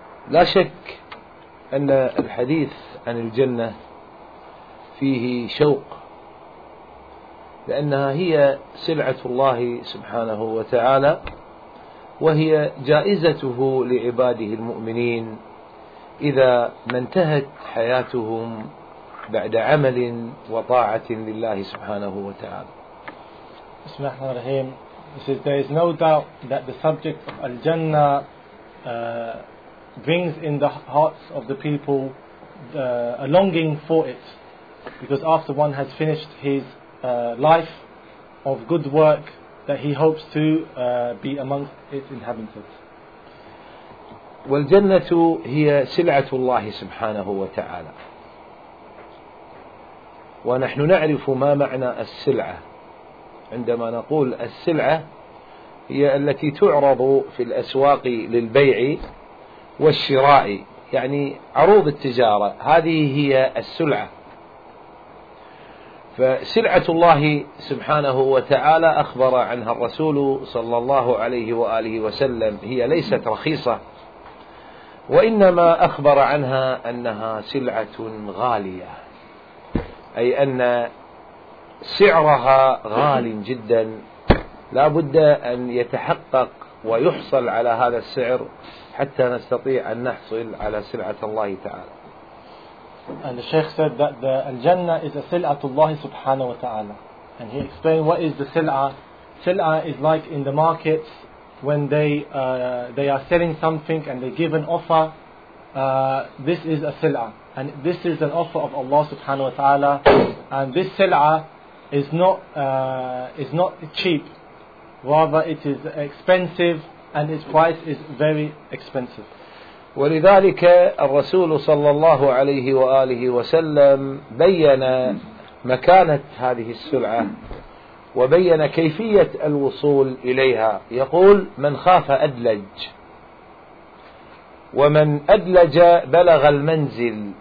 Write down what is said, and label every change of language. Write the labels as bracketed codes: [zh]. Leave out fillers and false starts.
[ar] لا شك أن الحديث عن الجنة فيه شوق، لأنها هي سلعة الله سبحانه وتعالى، وهي جائزته لعباده المؤمنين إذا ما انتهت حياتهم بعد عمل وطاعة لله سبحانه وتعالى. بسم الله الرحمن الرحيم. [en] There is no doubt that the subject of al-Jannah brings in the hearts of the people a longing for it, because after one has finished his life of good work, that he hopes to be amongst its inhabitants. [ar] والجنة هي سلعة الله سبحانه وتعالى، ونحن نعرف ما معنى السلعة. عندما نقول السلعة هي التي تعرض في الأسواق للبيع والشراء، يعني عروض التجارة، هذه هي السلعة. فسلعة الله سبحانه وتعالى أخبر عنها الرسول صلى الله عليه وآله وسلم، هي ليست رخيصة، وإنما أخبر عنها أنها سلعة غالية، أي أن سعرها غال جدا، لا بد أن يتحقق ويحصل على هذا السعر حتى نستطيع أن نحصل على سلعة الله تعالى. [en] And the Sheikh said that the Al-Jannah is a sil'atullah subhanahu wa ta'ala. And he explained what is the sil'ah. Sil'ah is like in the markets when they are selling something and they give an offer. This is a sil'ah. And this is an offer of Allah subhanahu wa ta'ala. And this sil'ah is not cheap. Rather it is expensive. And its price is very expensive. [ar] ولذلك الرسول صلى الله عليه وآله وسلم بين مكانة هذه السلعة وبين كيفية الوصول إليها. يقول: من خاف أدلج، ومن أدلج بلغ المنزل.